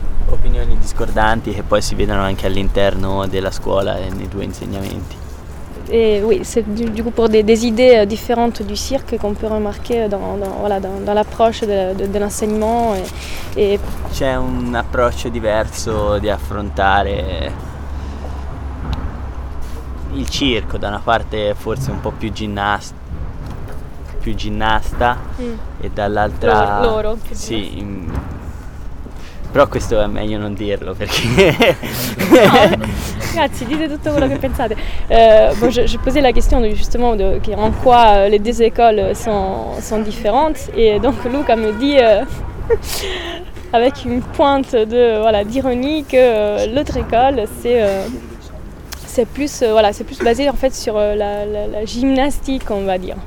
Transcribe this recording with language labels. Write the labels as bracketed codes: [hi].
[it] Opinioni discordanti che poi si vedono anche all'interno della scuola e nei due insegnamenti. [fr] E oui, c'est du coup pour des idées différentes du cirque qu'on peut remarquer dans l'approche de l'enseignement. [it] C'è un approccio diverso di affrontare il circo, da una parte forse un po' più ginnasta e dall'altra loro più sì, però questo è meglio non dirlo perché no. Ragazzi, dite tutto quello che pensate. [fr] Bon, je posais la question justement de okay, en quoi les deux écoles sont différentes et donc Luca me dit avec une pointe de voilà d'ironie que l'autre école c'est plus basé en fait sur la gymnastique, on va dire.